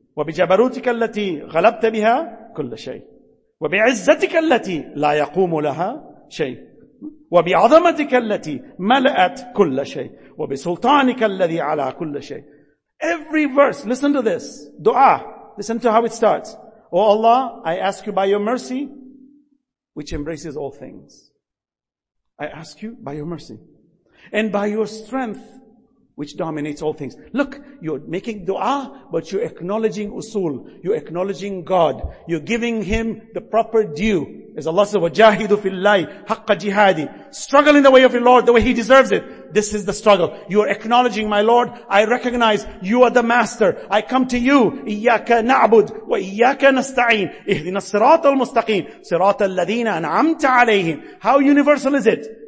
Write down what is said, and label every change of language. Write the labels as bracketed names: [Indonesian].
[Arabic] وبجبروتك التي غلبت بها كل شيء وبعزتك التي لا يقوم لها شيء وبعظمتك التي ملأت كل شيء وبسلطانك الذي على كل شيء. [English] Every verse, listen to this dua, listen to how it starts. Oh Allah, I ask you by your mercy which embraces all things. I ask you by your mercy and by your strength which dominates all things. Look, you're making dua, but you're acknowledging usul. You're acknowledging God. You're giving him the proper due. [Arabic] As Allah says, وَجَاهِدُ فِي اللَّهِ حَقَّ جِهَادِ. [English] Struggle in the way of your Lord the way he deserves it. This is the struggle. You're acknowledging, my Lord, I recognize you are the master. [Arabic] I come to you. إِيَّاكَ نَعْبُدْ وَإِيَّاكَ نَسْتَعِينْ إِهْدِنَا الصِّرَاطَ الْمُسْتَقِيمِ صِرَاطَ الَّذِينَ أَنْعَمْتَ عَلَيْهِمْ. [English] How universal is it?